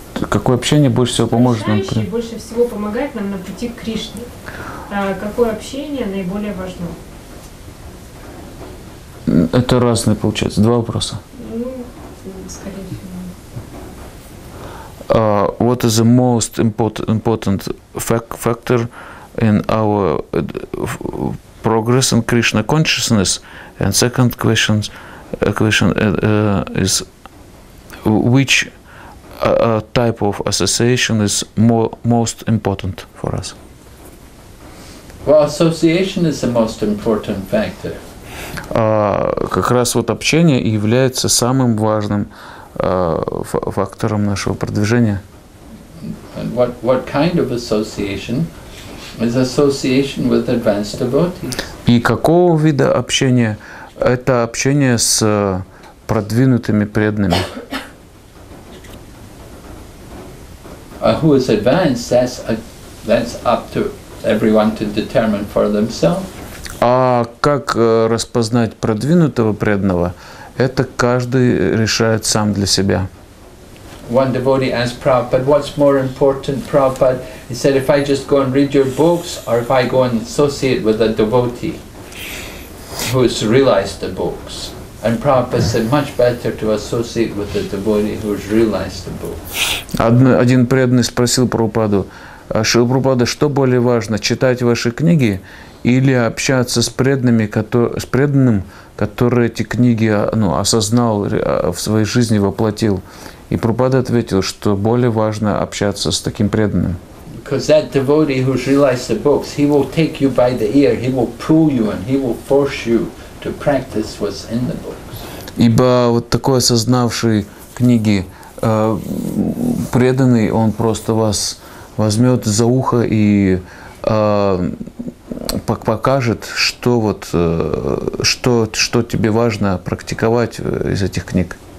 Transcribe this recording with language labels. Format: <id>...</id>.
<ru>Какое общение больше всего поможет нам? Решающее больше всего помогает нам на пути к Кришне. Какое общение наиболее важно? Это разные, получается, два вопроса. Скорее всего.</ru> <en>What is the most important factor in our progress in Krishna consciousness? And second question, is which a type of association is most important for us? Well, association is the most important factor.</en> <ru>Как раз вот общение является самым важным фактором нашего продвижения.</ru> <en>And what kind of association? Is association with advanced devotees.</en> <ru>И какого вида общения? Это общение с продвинутыми преданными.</ru> <en>Who is advanced? That's up to everyone to determine for themselves.</en> <ru>А как распознать продвинутого преданного? Это каждый решает сам для себя.</ru> <en>One devotee asked Prabhupada, "What's more important, Prabhupada?" He said, "If I just go and read your books, or if I go and associate with a devotee who has realized the books." And Prabhupada said, "Much better to associate with a devotee who has realized the books."</en> <ru>Один преданный спросил Прабхупаду: «Шрила Прабхупада, что более важно, читать ваши книги или общаться с преданным, который эти книги осознал, в своей жизни воплотил?» И Прабхупада ответил, что более важно общаться с таким преданным.</ru> <en>Because that devotee who has realized the books, he will take you by the ear, he will pull you and he will force you to practice what's in the books.</en> <ru>Ибо вот такой осознавший книги преданный, он просто вас возьмет за ухо и покажет, что тебе важно практиковать из этих книг.</ru>